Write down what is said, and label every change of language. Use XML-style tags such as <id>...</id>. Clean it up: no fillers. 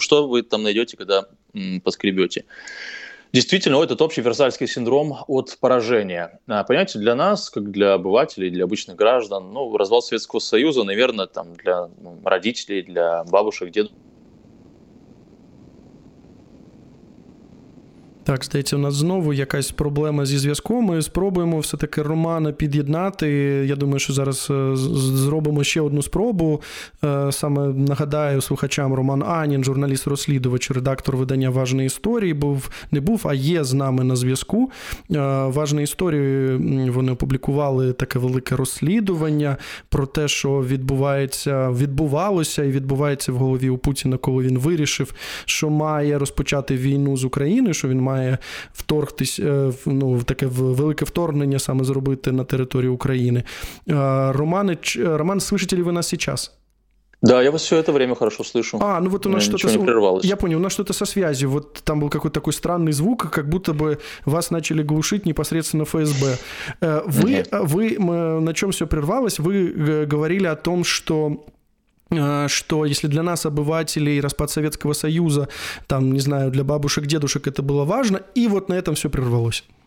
<ru>Что вы там найдете, когда поскребете? Действительно, этот общий Версальский синдром от поражения. Понимаете, для нас, как для обывателей, для обычных граждан, ну, развал Советского Союза, наверное, там, для родителей, для бабушек, дедушек. Так, кстати,</ru> <uk>у нас знову якась проблема зі зв'язком. Ми спробуємо все-таки Романа під'єднати. Я думаю, що зараз зробимо ще одну спробу. Саме нагадаю слухачам, Роман Анін, журналіст-розслідувач, редактор видання «Важні історії», а є з нами на зв'язку. «Важні історії» вони опублікували таке велике розслідування про те, що відбувалося і відбувається в голові у Путіна, коли він вирішив, що має розпочати війну з Україною, що він має вторгтись, ну, таке велике вторгнення саме зробити на території України.</uk> <ru>Роман, слышите ли ви нас сейчас? Да, я вас все это время хорошо слышу. А, ну вот у нас что-то... Ничего не прервалось. Я понял, у нас что-то со связью. Вот там был какой-то такой странный звук, как будто бы вас начали глушить непосредственно ФСБ. На чем все прервалось? Вы говорили о том, что если для нас, обывателей, распад Советского Союза, там, не знаю, для бабушек, дедушек это было важно, и вот на этом все прервалось.</ru>